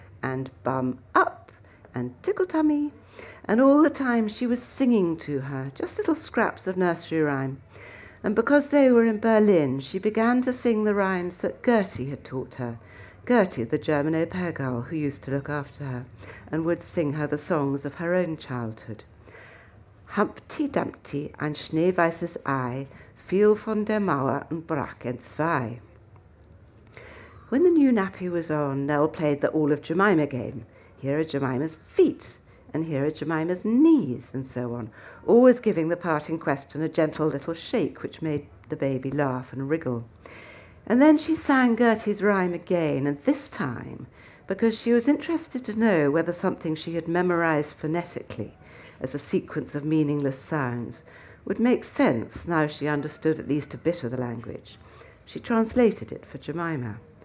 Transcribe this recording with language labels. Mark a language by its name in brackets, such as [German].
[English] And bum up and tickle tummy. And all the time she was singing to her, just little scraps of nursery rhyme. And because they were in Berlin, she began to sing the rhymes that Gertie had taught her. Gertie, the German au pair girl who used to look after her and would sing her the songs of her own childhood. [German] Humpty Dumpty, ein schneeweißes Ei, fiel von der Mauer und brach entzwei. [English] When the new nappy was on, Nell played the All of Jemima game. Here are Jemima's feet, and here are Jemima's knees, and so on, always giving the part in question a gentle little shake which made the baby laugh and wriggle. And then she sang Gertie's rhyme again, and this time, because she was interested to know whether something she had memorized phonetically as a sequence of meaningless sounds would make sense now she understood at least a bit of the language, she translated it for Jemima.